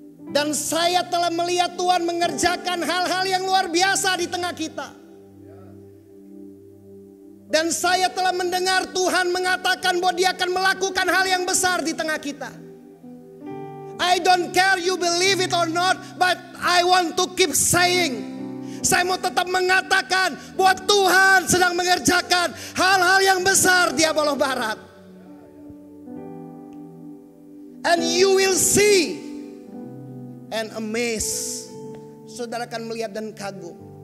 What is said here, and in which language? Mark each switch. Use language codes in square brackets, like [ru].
[id] Dan saya telah melihat Tuhan mengerjakan hal-hal yang luar biasa di tengah kita. Dan saya telah mendengar Tuhan mengatakan bahwa dia akan melakukan hal yang besar di tengah kita. [en] I don't care you believe it or not, but I want to keep saying. [id] Saya mau tetap mengatakan bahwa Tuhan sedang mengerjakan hal-hal yang besar di Abolo Barat. [en] And you will see. And amazed. [id] Saudara akan melihat dan kagum.